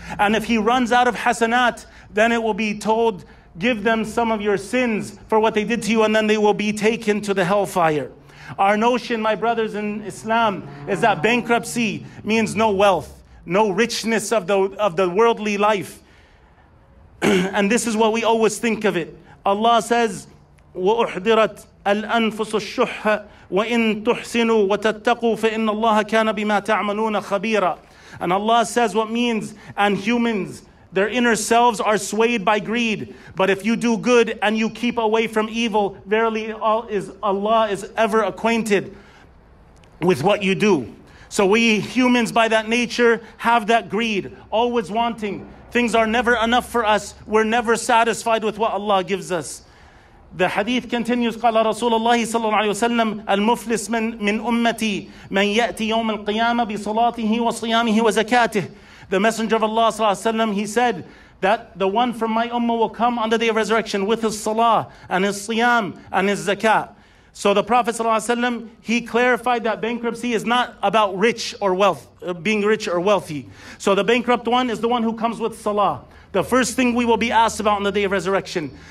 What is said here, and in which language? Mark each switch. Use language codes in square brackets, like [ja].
[en] And if he runs out of hasanat, then it will be told, give them some of your sins for what they did to you, and then they will be taken to the hellfire. Our notion, my brothers in Islam, is that bankruptcy means no wealth, no richness of the worldly life. And this is what we always think of it. Allah says, [ar] وَأُحْضِرَتْ الْأَنفُسُ الشُّحَّ وَإِنْ تُحْسِنُوا وَتَتَّقُوا فَإِنَّ اللَّهَ كَانَ بِمَا تَعْمَلُونَ خَبِيرًا. [en] And Allah says what means, and humans, their inner selves are swayed by greed. But if you do good and you keep away from evil, verily Allah is ever acquainted with what you do. So we humans by that nature have that greed, always wanting. Things are never enough for us. We're never satisfied with what Allah gives us. The hadith continues, [ar] قال رسول الله صلى الله عليه وسلم المفلس من أمتي من يأتي يوم القيامة بصلاته وصيامه وزكاته. [en] The Messenger of Allah sallallahu alaihi wasallam, he said that the one from my ummah will come on the day of resurrection with his salah and his siyam and his zakat. So the Prophet ﷺ, he clarified that bankruptcy is not about rich or wealth, being rich or wealthy. So the bankrupt one is the one who comes with salah. The first thing we will be asked about on the day of resurrection.